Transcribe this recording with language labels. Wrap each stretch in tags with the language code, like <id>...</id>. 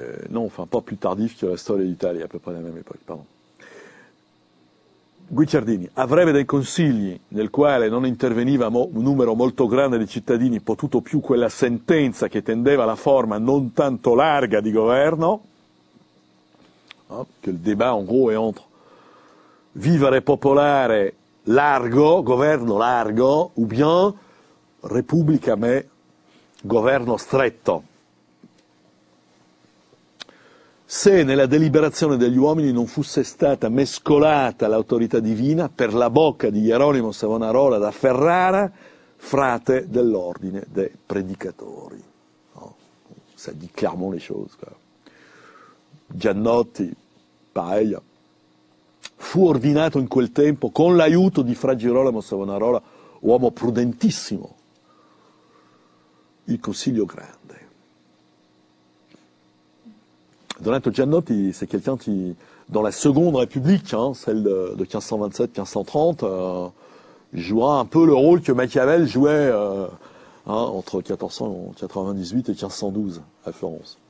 <fr>Non, enfin, pas plus tardif que La Storia d'Italia, à peu près à la même époque, pardon.</fr> <it>Guicciardini avrebbe dei consigli nel quale non interveniva un numero molto grande di cittadini, potuto più quella sentenza che tendeva alla forma non tanto larga di governo, no? Che il</it> <fr>débat en gros</fr> <it>è</it> <fr>entre</fr> <it>vivere popolare largo, governo largo, o</it> <fr>bien</fr> <it>repubblica ma governo stretto. Se nella deliberazione degli uomini non fosse stata mescolata l'autorità divina per la bocca di Geronimo Savonarola da Ferrara, frate dell'ordine dei predicatori. No? Se diciamo le cose, qua. Giannotti, Paella, fu ordinato in quel tempo con l'aiuto di Fra Girolamo Savonarola, uomo prudentissimo, il Consiglio Grande.</it> <fr>Donato Giannotti, c'est quelqu'un qui, dans la Seconde République, hein, celle de 1527-1530, joua un peu le rôle que Machiavel jouait entre 1498 et 1512 à Florence.</fr>